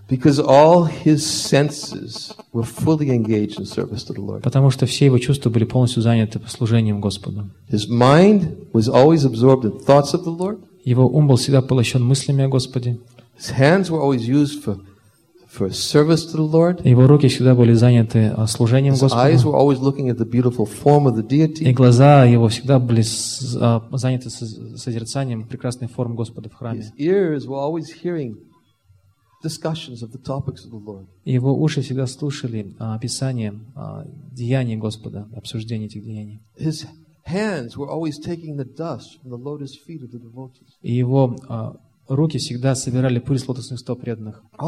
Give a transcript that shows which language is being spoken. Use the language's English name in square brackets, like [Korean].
[English] Because all his senses were fully engaged in service to the Lord. [Russian] Потому что все его чувства были полностью заняты служением Господу. [English] His mind was always absorbed in thoughts of the Lord. [Russian] Его ум был всегда поглощен мыслями о Господе. [English] His hands were always used for service to the Lord. [Russian] Его руки всегда были заняты служением Господу. [English] His eyes were always looking at the beautiful form of the deity. [Russian] И глаза его всегда были заняты созерцанием прекрасной формы Господа в храме. [English] His ears were always hearing discussions of the topics of the Lord. [Russian] Его уши всегда слушали описание деяний Господа, обсуждение этих деяний. [English] His hands were always taking the dust from the lotus feet of the devotees. [Russian] И его руки всегда собирали пыль с лотосных стоп преданных.